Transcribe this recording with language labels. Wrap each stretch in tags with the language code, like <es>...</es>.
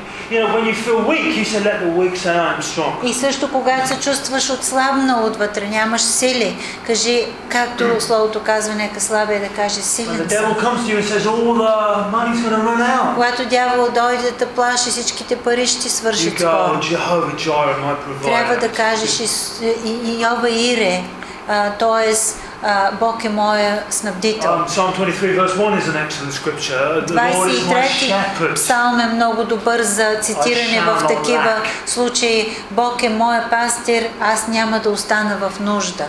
<en>When you feel weak, you say, "Let the weak say, 'I'm strong.'"</en> <bg>И също когато се чувстваш отслабнал отвътре, нямаш сили, кажи, както словото казва, нека слабия да каже силен.</bg> <en>When the devil comes to you and says, "All the money's going to run out."</en> <bg>Когато дявол дойде да плаши, всичките пари ще свършат скоро.</bg> <en>You go, "Jehovah Jireh, my provider."</en> <bg>Трябва да кажеш и Йова Ире, т.е. Бог е моя снабдител.</bg> <en>Psalm 23 verse 1 is an excellent scripture. The Lord is my shepherd.</en> <bg>Псалм е много добър за цитиране в такива случаи. Бог е моя пастир, аз няма да остана в нужда.</bg>